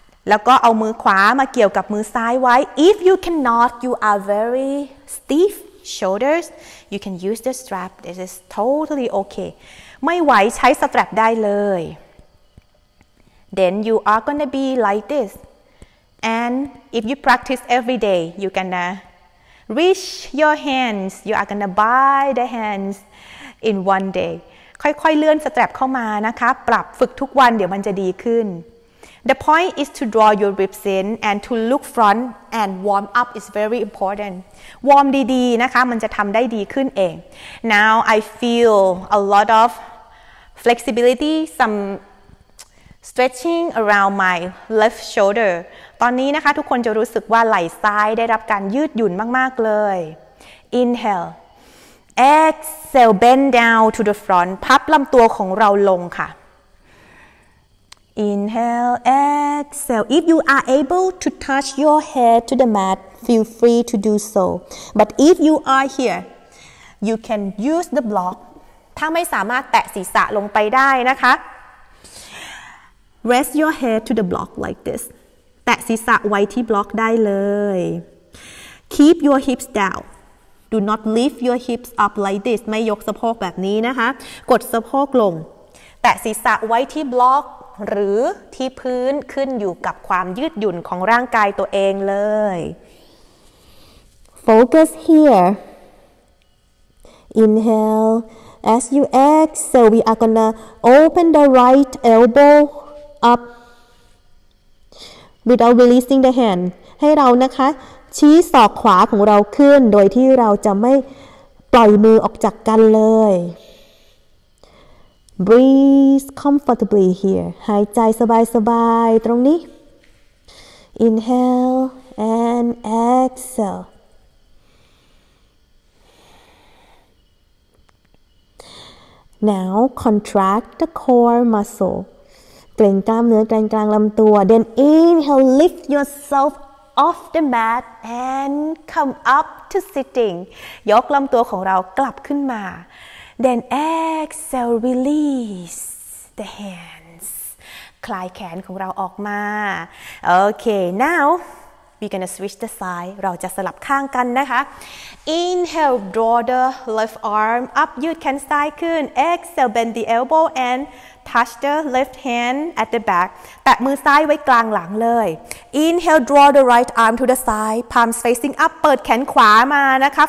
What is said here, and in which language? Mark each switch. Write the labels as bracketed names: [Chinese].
[Thai] แล้วก็เอามือขวามาเกี่ยวกับมือซ้ายไว้ [English] if you cannot you are very stiff shoulders you can use the strap this is totally okay [Thai] ไม่ไหวใช้สตรัปได้เลย [English] then you are gonna be like thisAnd if you practice every day, you're gonna reach your hands. You are gonna buy the hands in one day. [Thai] ค่อยๆเลื่อนสตรัปเข้ามานะคะปรับฝึกทุกวันเดี๋ยวมันจะดีขึ้น [English] The point is to draw your ribs in and to look front and warm up is very important. [Thai] Warm ดีๆนะคะมันจะทำได้ดีขึ้นเอง [English] Now I feel a lot of flexibility, some stretching around my left shoulder. [Thai] ตอนนี้นะคะทุกคนจะรู้สึกว่าไหล่ซ้ายได้รับการยืดหยุ่นมากๆเลย [English] Inhale Exhale bend down to the front [Thai] พับลำตัวของเราลงค่ะ [English] Inhale Exhale If you are able to touch your head to the mat feel free to do so but if you are here you can use the block [Thai] ถ้าไม่สามารถแตะศีรษะลงไปได้นะคะ [English] Rest your head to the block like this [Thai] แตะศีรษะไว้ที่บล็อกได้เลย [English] Keep your hips down. Do not lift your hips up like this. [Thai] ไม่ยกสะโพกแบบนี้นะคะกดสะโพกลงแตะศีรษะไว้ที่บล็อกหรือที่พื้นขึ้นอยู่กับความยืดหยุ่นของร่างกายตัวเองเลย [English] Focus here. Inhale. As you exhale, we are gonna open the right elbow up. Without releasing the hand [Thai] ให้เรานะคะชี้ศอกขวาของเราขึ้นโดยที่เราจะไม่ปล่อยมือออกจากกันเลย [English] Breathe comfortably here [Thai] หายใจสบายๆตรงนี้ [English] Inhale and exhale Now contract the core muscle. [Thai] เกร็งกล้ามเนื้อกลางลำตัว. [English] Then inhale, lift yourself off the mat and come up to sitting. [Thai] ยกลำตัวของเรากลับขึ้นมา. [English] Then exhale, release the hands. [Thai] คลายแขนของเราออกมา. [English] Okay, now we're gonna switch the side. [Thai] เราจะสลับข้างกันนะคะ. [English] Inhale, draw the left arm up. [Thai] ยืดแขนซ้ายขึ้น. [English] Exhale, bend the elbow and touch the left hand at the back. [Thai] แตะมือซ้ายไว้กลางหลังเลย. [English] Inhale, draw the right arm to the side. Palms facing up. [Thai] เปิดแขนขวามานะคะ.